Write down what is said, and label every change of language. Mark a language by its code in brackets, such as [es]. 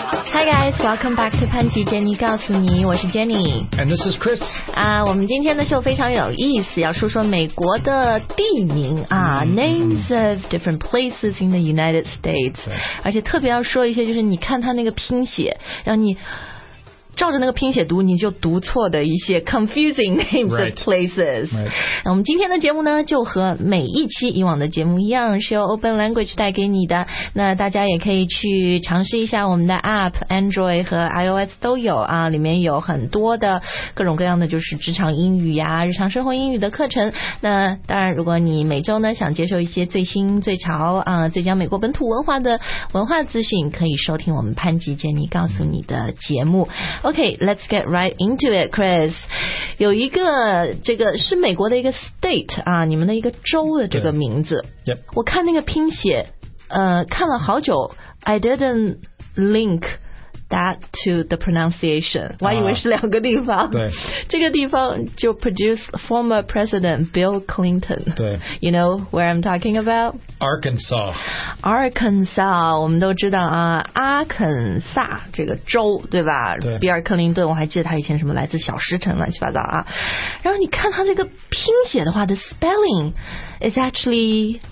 [en] Hi guys, welcome back to 潘吉杰尼告诉你，我是 Jenny. And this is Chris. [zh] 我们今天的秀非常有意思，要说说美国的地名啊、 [en] names of different places in the United States. [zh] 而且特别要说一些，就是你看它那个拼写，让你照着那个拼写读，你就读错的一些 [en] confusing names of places. Right. [zh] 那我们今天的节目呢，就和每一期以往的节目一样，是由 Open Language 带给你的。那大家也可以去尝试一下我们的 App, Android 和 iOS 都有啊，里面有很多的各种各样的就是职场英语呀、日常生活英语的课程。那当然，如果你每周呢想接受一些最新、最潮啊、最讲美国本土文化的文化资讯，可以收听我们潘吉杰尼告诉你的节目。 [en] Okay, let's get right into it, Chris. [zh] 有一个这个是美国的一个 state 啊，你们的一个州的这个名字。 [en] Yep. [zh] 我看那个拼写，看了好久 [en] ，I didn't link that to the pronunciation. [zh] 我还以为是两个地方。对。这个地方就 [en] produce former president Bill Clinton. [zh] 对。 [en] You know where I'm talking about? Arkansas. [zh] Arkansas, 我们都知道啊，阿肯萨这个州，对吧？对。比尔·克林顿，我还记得他以前什么来自小石城，乱七八糟啊。然后你看他这个拼写的话 [en] ，the spelling is actually